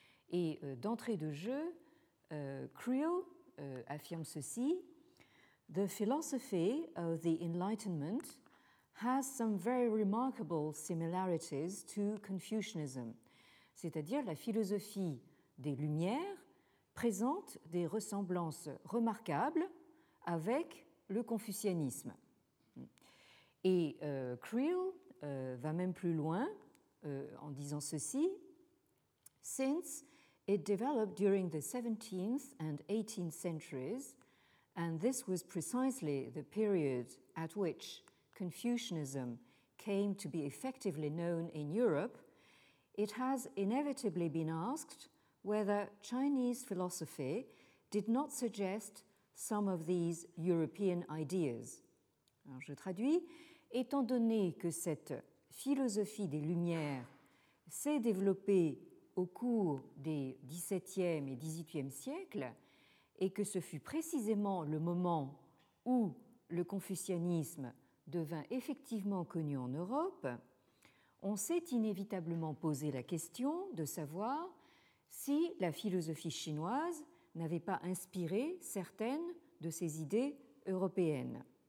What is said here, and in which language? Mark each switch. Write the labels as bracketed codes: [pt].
[fr] Et d'entrée de jeu, Creel affirme ceci: [en] The philosophy of the Enlightenment has some very remarkable similarities to Confucianism. [fr] C'est-à-dire la philosophie des Lumières présente des ressemblances remarquables avec le confucianisme. Et Creel va même plus loin en disant ceci: [en] Since it developed during the 17th and 18th centuries, and this was precisely the period at which Confucianism came to be effectively known in Europe, it has inevitably been asked whether Chinese philosophy did not suggest some of these European ideas. [fr] Alors je traduis, étant donné que cette philosophie des Lumières s'est développée au cours des XVIIe et XVIIIe siècles, et que ce fut précisément le moment où le confucianisme devint effectivement connu en Europe, on s'est inévitablement posé la question de savoir si la philosophie chinoise n'avait pas inspiré certaines de ces idées européennes.